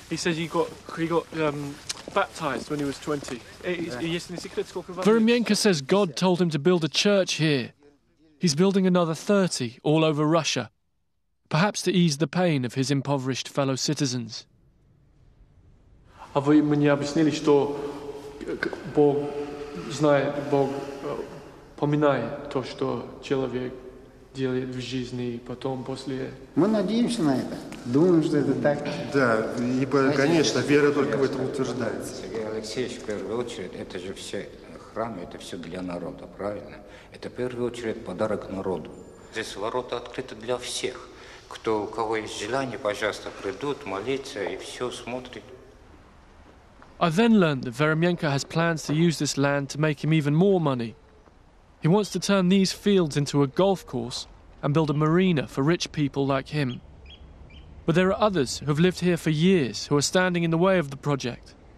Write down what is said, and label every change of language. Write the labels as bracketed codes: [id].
[en] He said he got baptized when he was 20. [ru] Да. Если не секрет, сколько... Veremenko says God told him to build a church here. He's building another 30 all over Russia. Perhaps to ease the pain of his impoverished fellow citizens. А вы мне объяснили, что Бог знает, Бог поминает то, что человек делает в жизни, и потом после... Мы надеемся на это. Думаем, что это так. Да, ибо, конечно, вера только в этом утверждается. Сергей Алексеевич, в первую очередь, это же все храмы, это все для народа, правильно? Это, в первую очередь, подарок народу. Здесь ворота открыты для всех. Кто, у кого есть желание, пожалуйста, придут молиться и все смотрят. [en] I then learned that Veremenko has plans to use this land to make him even more money. He wants to turn these fields into a golf course and build a marina for rich people like him. But there are others who have lived here for years who are standing in the way of the project.